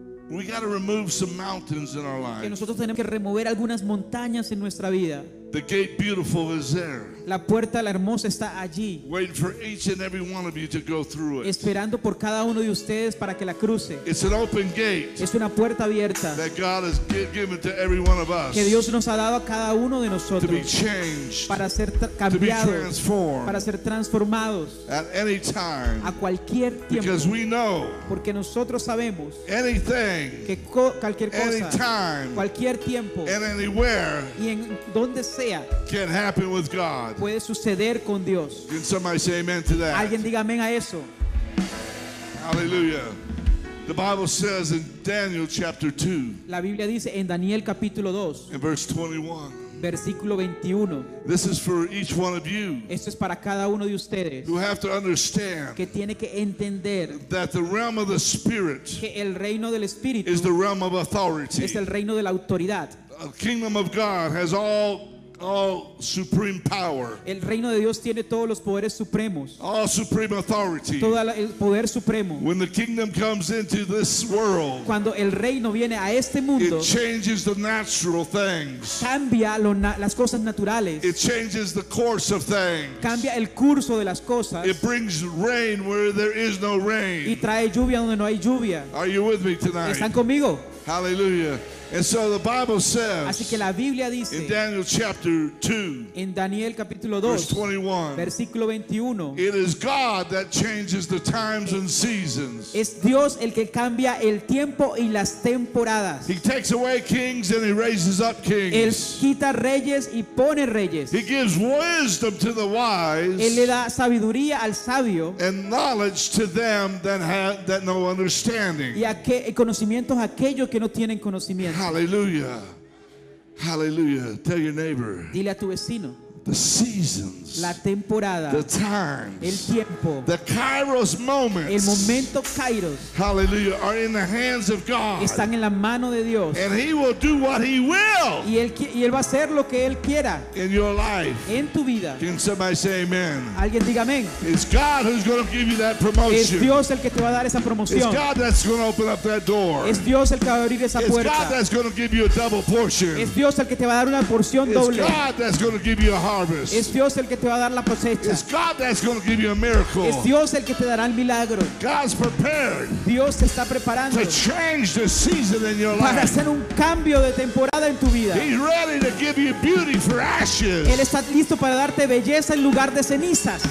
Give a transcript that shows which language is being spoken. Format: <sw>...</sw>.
<en>We got to remove some mountains in our life.</en> <es>Que nosotros tenemos que remover algunas montañas en nuestra vida.</es> <en>The gate beautiful is there.</en> <es>La puerta la hermosa está allí.</es> <en>Waiting for each and every one of you to go through it.</en> <es>Esperando por cada uno de ustedes para que la cruce.</es> <en>It's an open gate.</en> <es>Es una puerta abierta.</es> <en>That God has given to every one of us.</en> <es>Que Dios nos ha dado a cada uno de nosotros.</es> <en>To be changed.</en> <es>Para ser cambiados.</es> <en>To be transformed.</en> <es>Para ser transformados.</es> <en>At any time.</en> <es>A cualquier tiempo.</es> <en>Because we know.</en> <es>Porque nosotros sabemos.</es> <en>Anything.</en> <es>Que cualquier cosa.</es> <en>Any time.</en> <es>Cualquier tiempo.</es> <en>And anywhere.</en> <es>Y en donde sea.</es> <en>Can happen with God.</en> <es>Puede suceder con Dios.</es> <en>Can somebody say amen to that?</en> <es>Alguien diga amén a eso.</es> <en>Hallelujah. The Bible says in Daniel chapter 2.</en> <es>La Biblia dice en Daniel capítulo 2.</es> <en>In verse 21.</en> <es>Versículo 21.</es> <en>This is for each one of you.</en> <es>Esto es para cada uno de ustedes.</es> <en>Who have to understand.</en> <es>Que tiene que entender.</es> <en>That the realm of the spirit.</en> <es>Que el reino del espíritu.</es> <en>Is the realm of authority.</en> <es>Es el reino de la autoridad.</es> <en>The kingdom of God has all supreme power.</en> <es>El reino de Dios tiene todos los poderes supremos.</es> <en>All supreme authority.</en> <es>Todo el poder supremo.</es> <en>When the kingdom comes into this world.</en> <es>Cuando el reino viene a este mundo.</es> <en>It changes the natural things.</en> <es>Cambia las cosas naturales.</es> <en>It changes the course of things.</en> <es>Cambia el curso de las cosas.</es> <en>It brings rain where there is no rain.</en> <es>Y trae lluvia donde no hay lluvia.</es> <en>Are you with me tonight?</en> <es>¿Están conmigo?</es> <en>Hallelujah. And so the Bible says,</en> <es>así que la Biblia dice,</es> <en>in Daniel chapter 2,</en> <es>en Daniel capítulo 2,</es> <en>verse 21,</en> <es>versículo 21,</es> <en>it is God that changes the times and seasons.</en> <es>Es Dios el que cambia el tiempo y las temporadas.</es> <en>He takes away kings and he raises up kings.</en> <es>Él quita reyes y pone reyes.</es> <en>He gives wisdom to the wise.</en> <es>Él le da sabiduría al sabio.</es> <en>And knowledge to them that have that no understanding.</en> <es>Y conocimientos a aquellos que no tienen conocimiento.</es> <en>Hallelujah. Hallelujah. Tell your neighbor.</en> <es>Dile a tu vecino.</es> <en>The seasons.</en> <es>La temporada.</es> <en>The times.</en> <es>El tiempo.</es> <en>The Kairos moments.</en> <es>El momento Kairos.</es> <en>Hallelujah. Are in the hands of God.</en> <es>Están en la mano de Dios.</es> <en>And he will do what he will.</en> <es>Y él va a hacer lo que él quiera.</es> <en>In your life.</en> <es>En tu vida.</es> <en>Can somebody say amen?</en> <es>Alguien diga amén.</es> <en>It's God who's going to give you that promotion.</en> <es>Es Dios el que te va a dar esa promoción.</es> <en>It's God that's going to open up that door.</en> <es>Es Dios el que va a abrir esa puerta.</es> <en>It's God that's going to give you a double portion.</en> <es>Es Dios el que te va a dar una porción doble.</es> <en>It's God that's going to give you a heart.</en> <es>Es Dios el que te va a dar la cosecha.</es> <en>It's God that's going to give you a miracle.</en> <es>Es Dios el que te dará el milagro.</es> <en>God's prepared.</en> <es>Dios te está preparando.</es> <en>To change the season in your life.</en> <es>Para hacer un cambio de temporada en tu vida.</es> <en>He's ready to give you beauty for ashes.</en> <es>Él está listo para darte belleza en lugar de cenizas.</es>